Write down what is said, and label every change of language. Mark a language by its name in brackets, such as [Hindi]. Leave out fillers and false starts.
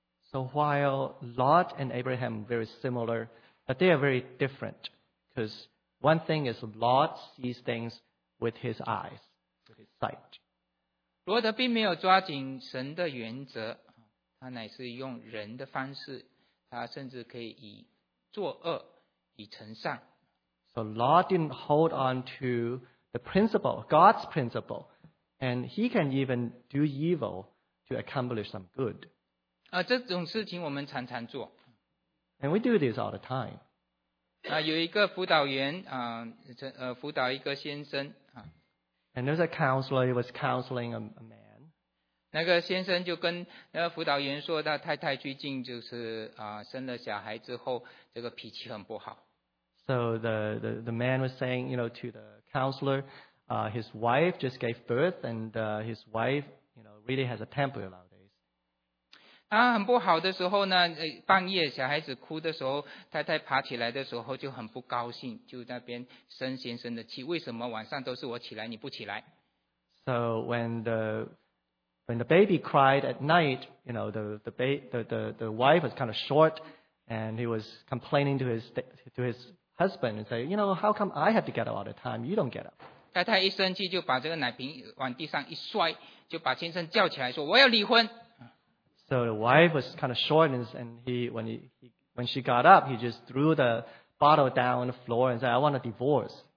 [English] So while Lot and Abraham are very similar, but they are very different. Because one thing is Lot sees things with his eyes, with his sight. [Chinese] 罗德并没有抓紧神的原则，他乃是用人的方式，他甚至可以以作恶，以成善。 [English] So Lot didn't hold on to the principle, God's principle, and he can even do evil to accomplish some good. [Chinese] 这种事情我们常常做。 [English] And we do this all the time. [Chinese] 有一个辅导员辅导一个先生。 [English] And there's a counselor, he was counseling a man. [Chinese] 那个先生就跟那个辅导员说，他太太最近就是生了小孩之后，这个脾气很不好。 [English] So the man was saying, you know, to the counselor, his wife just gave birth, and his wife, you know, really has a temper now. [Chinese] 他很不好的时候呢，半夜小孩子哭的时候，太太爬起来的时候就很不高兴，就那边生先生的气，为什么晚上都是我起来你不起来。 [English] So when the baby cried at night, you know, the wife was kind of short, and he was complaining to his husband and say, you know, how come I have to get up all the time, you don't get up. [Chinese] 太太一生气就把这个奶瓶往地上一摔，就把先生叫起来说，我要离婚。 [English] So the wife was kind of short, and when she got up, he just threw the bottle down on the floor and said, "I want a divorce."